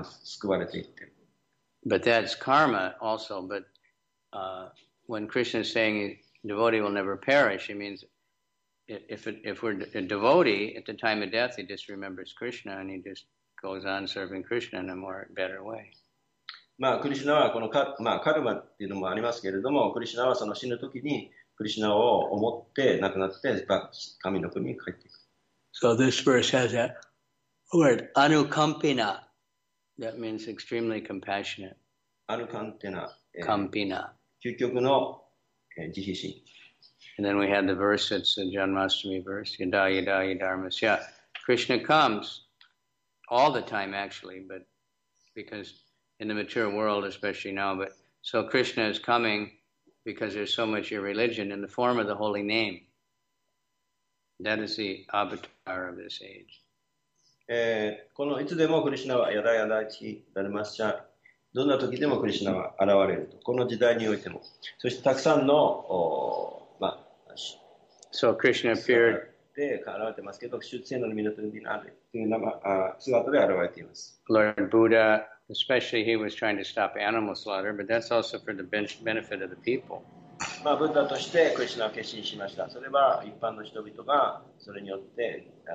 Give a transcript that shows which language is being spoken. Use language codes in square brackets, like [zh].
[ja] まあ、たまたま喫茶店に行くことで下に降りていったので、なんか事故があった時にそこから離れられた。そういうふうにして救われていって。But [en] that's karma also, but when Krishna is saying devotee will never perish, he means if we're a devotee, at the time of death, he just remembers Krishna and he just goes on serving Krishna in a more better way. [ja] まあ、クリシュナはこのカルマっていうのもありますけれども、クリシュナはその死ぬ時にクリシュナを思って亡くなって神の国に帰っていく。So [en] this verse has a word anukampina. That means extremely compassionate. Anukampina. Kampina. [ja] 究極の慈悲心. [en] And then we had the verse, it's a Janmashtami verse, yada yada yadharmasya. Krishna comes, all the time, actually, but because in the mature world, especially now, but so Krishna is coming because there's so much irreligion in the form of the holy name. That is the avatar of this age. [ja] このいつでもクリシナはヤダヤダチダルマッシャ、どんな時でもクリシナは現れると、この時代においても。そしてたくさんの、まあ、 [en] So Krishna appeared [ja] で現れてますけど、出世の源になるという姿で現れています。 [en] Lord Buddha, especially he was trying to stop animal slaughter, but that's also for the benefit of the people. [ja] まあ、ブッダとしてクリシナを決心しました。それは一般の人々がそれによって、